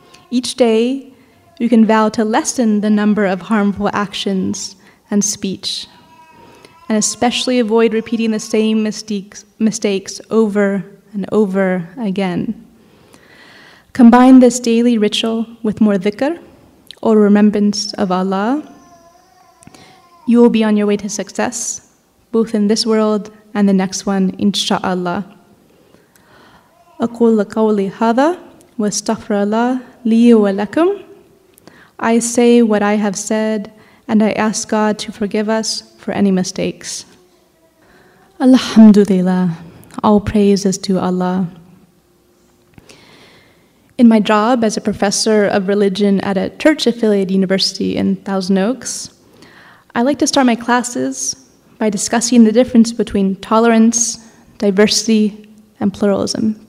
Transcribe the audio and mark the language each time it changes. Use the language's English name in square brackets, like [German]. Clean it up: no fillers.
[English] Each day, you can vow to lessen the number of harmful actions and speech, and especially avoid repeating the same mistakes over and over again. Combine this daily ritual with more dhikr, or remembrance of Allah. You will be on your way to success, both in this world and the next one, insha'Allah. [Arabic] أقول قولي هذا واستغفر الله لي ولكم. [English] I say what I have said, and I ask God to forgive us for any mistakes. Alhamdulillah, all praise is to Allah. In my job as a professor of religion at a church-affiliated university in Thousand Oaks, I like to start my classes by discussing the difference between tolerance, diversity, and pluralism.